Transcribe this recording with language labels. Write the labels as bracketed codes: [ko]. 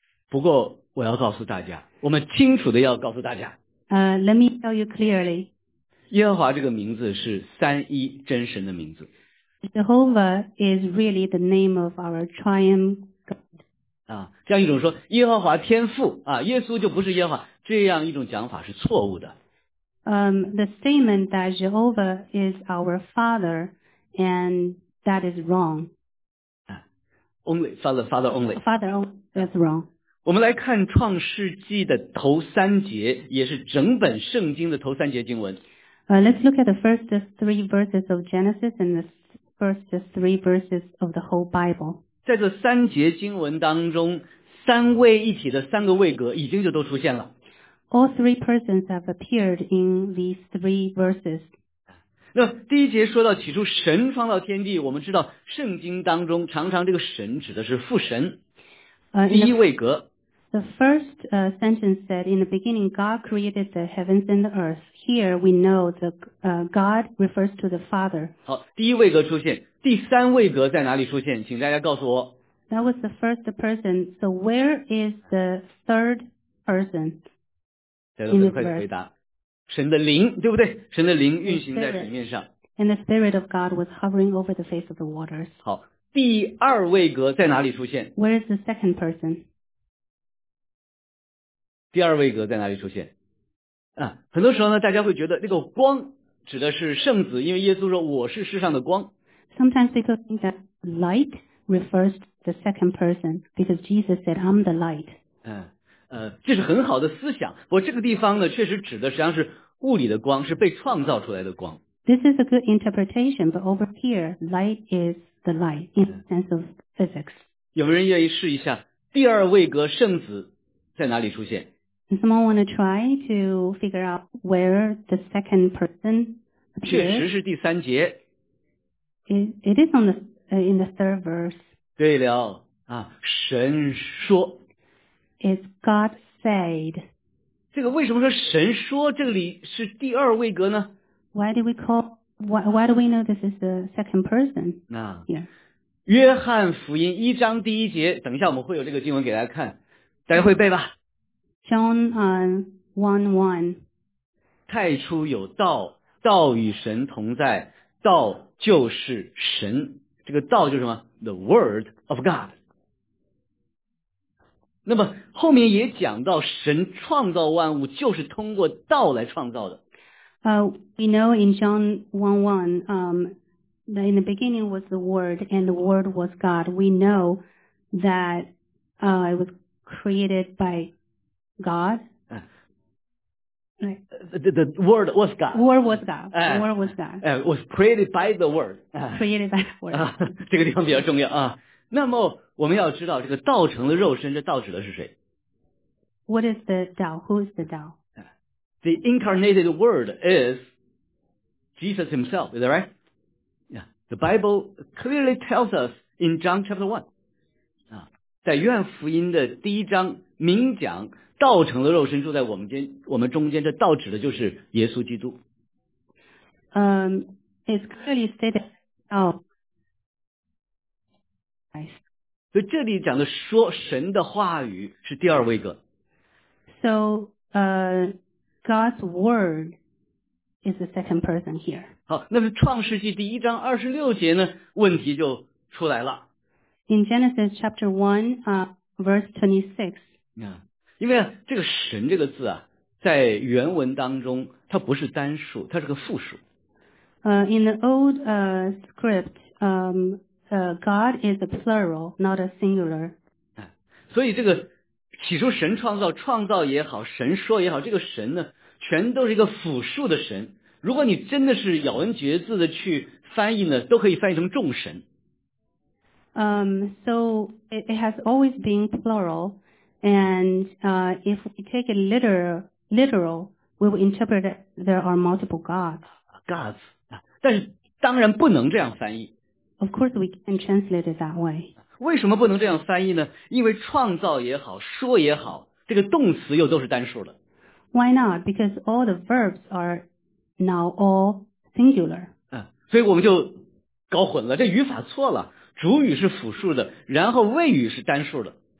[zh] 不过我要告诉大家，我们清楚的要告诉大家。 [en] Let me tell you clearly. [zh] 耶和华这个名字是三一真神的名字。 [en] Jehovah is really the name of our triune God. [zh] 这样一种说耶和华天父啊，耶稣就不是耶和华，这样一种讲法是错误的。 [en] The statement that Jehovah is our Father and that is wrong. Only Father, Father only. Father only, that's wrong. [zh] 我们来看创世纪的头三节，也是整本圣经的头三节经文。 [en] Let's look at the first three verses of Genesis and the first three verses of the whole Bible. [zh] 在这三节经文当中，三位一体的三个位格已经就都出现了。 [en] All three persons have appeared in these three verses. [zh] 那第一节说到起初神创造天地，我们知道圣经当中常常这个神指的是父神。第一位格。 [en] The first sentence said, in the beginning, God created the heavens and the earth. Here we know that God refers to the Father. [zh] 好，第一位格出现，第三位格在哪里出现？请大家告诉我。 [en] That was the first person. So where is the third person? [zh] 大家很快回答。神的灵，对不对？神的灵运行在水面上。 [en] And the Spirit of God was hovering over the face of the waters. [zh] 好。第二位格在哪里出现？ [en] Where is the second person? [zh] 第二位格在哪里出现？啊，很多时候呢，大家会觉得那个光指的是圣子，因为耶稣说我是世上的光。 [en] Sometimes people think that light refers to the second person because Jesus said, "I'm the light." [zh] 这是很好的思想。不过这个地方呢，确实指的实际上是物理的光，是被创造出来的光。 [en] This is a good interpretation, but over here, light is the light in the sense of physics. [zh] 有没有人愿意试一下第二位格圣子在哪里出现？ [en] Someone want to try to figure out where the second person appears? [zh] 确实是第三节。 [en] It is on the, in the third verse. [zh] 对了，啊，神说。 [en] It's God said. [zh] 这个为什么说神说这里是第二位格呢？ [en] Why do we know this is the second person? [zh] 那、约翰福音一章第一节，等一下我们会有这个经文给大家看，大家会背吧。 [en] John 1:1. [zh] 太初有道，道与神同在，道就是神。这个道就是什么？ [en] The Word of God. [zh] 那么后面也讲到神创造万物就是通过道来创造的。 [en] We know in John 1:1, that in the beginning was the Word, and the Word was God. We know that, it was created by God. The Word was God. Word was God. Word was God. Was created by the Word. Created by the Word. [zh] 这个地方比较重要啊。那么我们要知道这个道成了肉身，这道指的是谁？ [en] What is the 道?Who is the 道? The incarnated word is Jesus himself, is that right? Yeah. The Bible clearly tells us in John chapter 1. [zh] 在约翰福音的第一章明讲道成了肉身住在我们中间，这道指的就是耶稣基督。 [en] It's clearly stated, oh. Nice. [zh] 所以这里讲的说神的话语是第二位格。 [en] So, God's word is the second person here. [zh] 好，那么创世纪第一章二十六节呢，问题就出来了。 [en] In Genesis chapter 1, verse 26. [zh] 因为这个神这个字啊，在原文当中它不是单数，它是个复数。 [en] In the old, script, God is a plural, not a singular. [zh] 所以这个起初神创造也好，神说也好，这个神呢全都是一个复数的神。如果你真的是咬文嚼字的去翻译呢，都可以翻译成众神。 [en] So it has always been plural, and if we take it literal, we will interpret that there are multiple gods. [zh] 但是当然不能这样翻译。 [en] Of course we can translate it that way. [zh] 为什么不能这样翻译呢？因为创造也好，说也好，这个动词又都是单数的。 [en] Why not? Because all the verbs are now all singular. [zh] 所以我们就搞混了，这语法错了。主语是复数的，然后谓语是单数的。